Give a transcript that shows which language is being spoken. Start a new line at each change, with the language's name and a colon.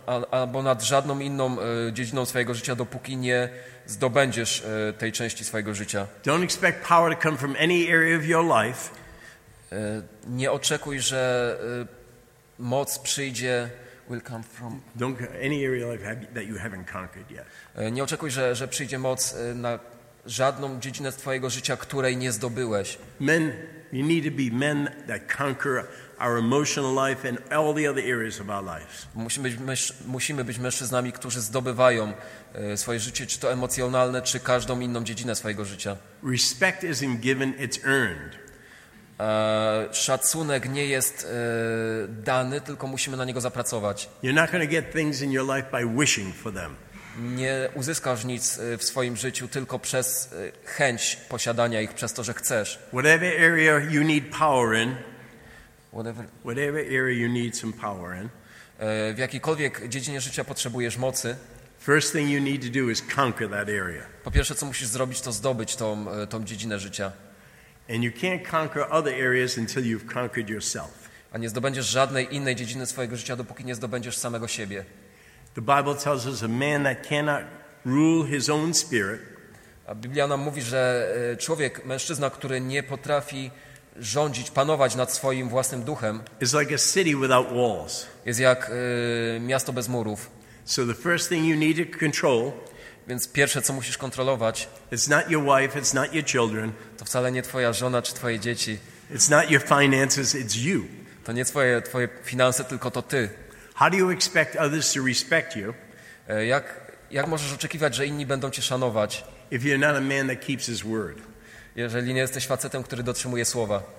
Polish: Albo nad żadną inną dziedziną swojego życia, dopóki nie zdobędziesz tej części swojego życia.
English: Don't expect power to come from any area of your life.
Polish: Nie oczekuj, że moc przyjdzie.
English: Will come from any area of life that you haven't conquered yet.
Polish: Nie oczekuj, że przyjdzie moc na żadną dziedzinę twojego życia, której nie zdobyłeś.
English: Men, you need to be men that conquer our emotional life and all the other areas of our lives.
Polish: Musimy być mężczyznami, którzy zdobywają swoje życie, czy to emocjonalne, czy każdą inną dziedzinę swojego życia.
English: Respect isn't given, it's earned.
Polish: Szacunek nie jest dany, tylko musimy na niego zapracować.
English: You're not going to get things in your life by wishing for them.
Polish: Nie uzyskasz nic w swoim życiu tylko przez chęć posiadania ich, przez to, że chcesz.
English: Whatever area you need power in. Whatever area you need some power in.
Polish: W jakiejkolwiek dziedzinie życia potrzebujesz mocy.
English: First thing you need to do is conquer that area.
Polish: Po pierwsze, co musisz zrobić, to zdobyć tą dziedzinę życia.
English: And you can't conquer other areas until you've conquered yourself.
Polish: A nie zdobędziesz żadnej innej dziedziny swojego życia, dopóki nie zdobędziesz samego siebie.
English: The Bible tells us a man that cannot rule his own spirit.
Polish: A Biblia nam mówi, że człowiek, mężczyzna, który nie potrafi rządzić, panować nad swoim własnym duchem,
English: is like a city without walls.
Polish: Jest jak miasto bez murów.
English: So the first thing you need to control.
Polish: Więc pierwsze, co musisz kontrolować,
English: it's not your wife, it's not your children.
Polish: To wcale nie twoja żona czy twoje dzieci.
English: It's not your finances, it's you.
Polish: To nie twoje finanse, tylko to ty.
English: How do you expect others to respect you?
Polish: Jak możesz oczekiwać, że inni będą cię szanować?
English: If you're not a man that keeps his word.
Polish: Jeżeli nie jesteś facetem, który dotrzymuje słowa.